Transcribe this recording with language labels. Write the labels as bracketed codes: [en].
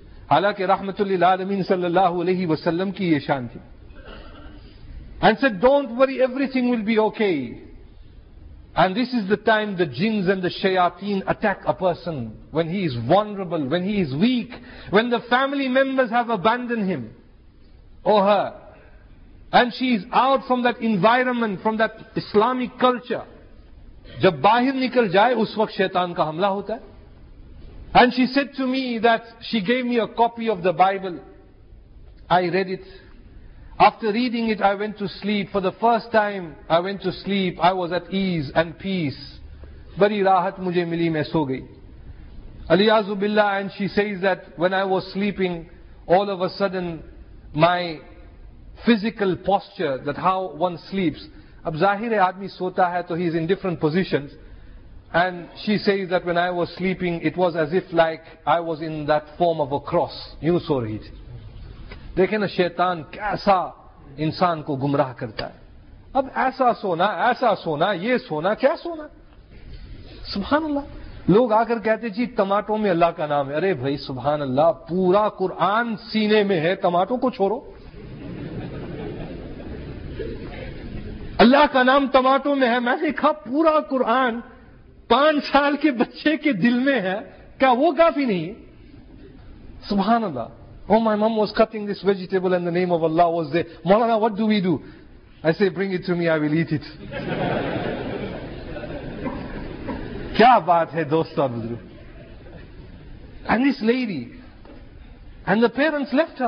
[ur] حالانکہ رحمت للعالمین صلی اللہ علیہ وسلم کی یہ شان تھی. [en] And said, don't worry, everything will be okay. And this is the time the jinns and the shayateen attack a person when he is vulnerable, when he is weak, when the family members have abandoned him or her. And she is out from that environment, from that Islamic culture. [ur] جب باہر نکل جائے اس وقت شیطان کا حملہ ہوتا ہے. [en] And she said to me that she gave me a copy of the Bible. I read it. After reading it, I went to sleep. For the first time I went to sleep, I was at ease and peace. [ur] بڑی راحت مجھے ملی, میں سو گئی. [ar] الیعوذ باللہ. [en] And she says that when I was sleeping, all of a sudden my physical posture, that how one sleeps. [ur] اب ظاہر ہے آدمی سوتا ہے تو [en] he is in different positions. And she says that when I was sleeping, it was as if like I was in that form of a cross. [ur] یوں سو رہی تھی. دیکھیں نا شیطان کیسا انسان کو گمراہ کرتا ہے. اب ایسا سونا, یہ سونا, کیا سونا, سبحان اللہ. لوگ آ کر کہتے جی ٹماٹو میں اللہ کا نام ہے. ارے بھائی سبحان اللہ, پورا قرآن سینے میں ہے, ٹماٹو کو چھوڑو. اللہ کا نام ٹماٹو میں ہے, میں نے کہا پورا قرآن 5 سال کے بچے کے دل میں ہے, کیا وہ کافی نہیں ہے؟ سبحان اللہ. [en] Oh, my mom was cutting this vegetable and the name of Allah was there. Maulana, what do we do? I say, bring it to me, I will eat it. [ur] Kya baat hai, dosto buzru. [en] And this lady, and the parents left her.